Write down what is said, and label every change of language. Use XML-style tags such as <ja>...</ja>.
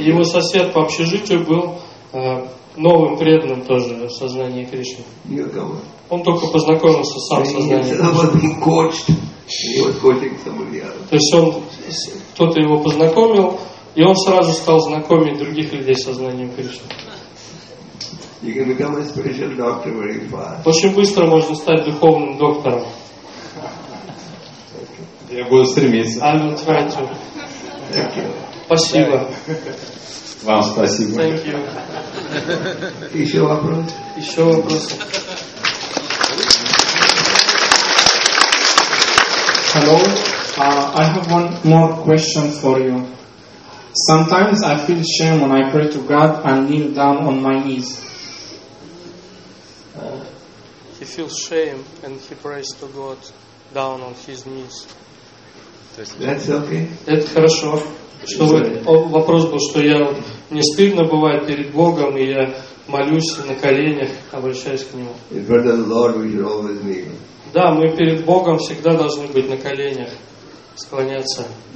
<ru>И его сосед по общежитию был новым преданным тоже в сознании Кришны. Он только познакомился сам с сознанием Кришны. То есть он кто-то его познакомил. И он сразу стал знакомить других людей с сознанием Кришны.</ru> <en>You can become a spiritual doctor very fast.</en> <ru>Очень быстро можно стать духовным доктором. Я буду стремиться.</ru> <en>I will try to. Thank you.</en> <ru>Спасибо. Вам спасибо.</ru> <en>Thank you.</en> <ru>Еще вопрос? Еще вопрос.</ru> <en>Hello. I have one more question for you. Sometimes I feel shame when I pray to God and kneel down on my knees. He feels shame and he prays to God down on his knees. That's okay.</en> <ru>Это хорошо. Вопрос был, что я не стыдно бывает перед Богом, и я молюсь на коленях, обращаюсь к Нему.</ru> <en>In front of the Lord we should always kneel.</en> <ru>Да, мы перед Богом всегда должны быть на коленях, склоняться.</ru>